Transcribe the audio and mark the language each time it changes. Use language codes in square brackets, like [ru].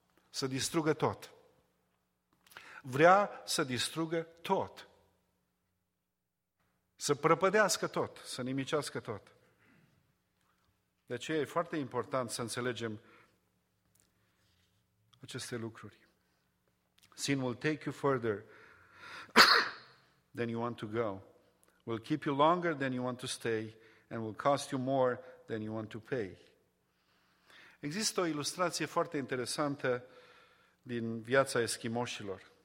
[ro] Să distrugă tot. Vrea să distrugă tot. Să prăpădească tot, să nimicească tot. De aceea e foarte important să înțelegem aceste lucruri. [en] Sin will take you further than you want to go, will keep you longer than you want to stay, and will cost you more than you want to pay. [ro] Există o ilustrație foarte interesantă din viața eschimoșilor.